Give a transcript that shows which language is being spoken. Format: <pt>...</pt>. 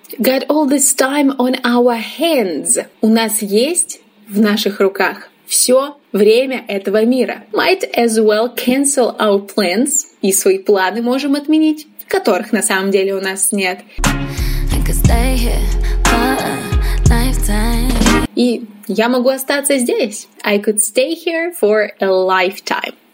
<en>Got all this time on our hands.</en> <ru>У нас есть в наших руках все время этого мира.</ru> <en>Might as well cancel our plans.</en> <ru>И свои планы можем отменить, которых на самом деле у нас нет.</ru> <en>I could stay here for a lifetime.</en> <ru>И я могу остаться здесь.</ru> <en>I could stay here for a lifetime.</en>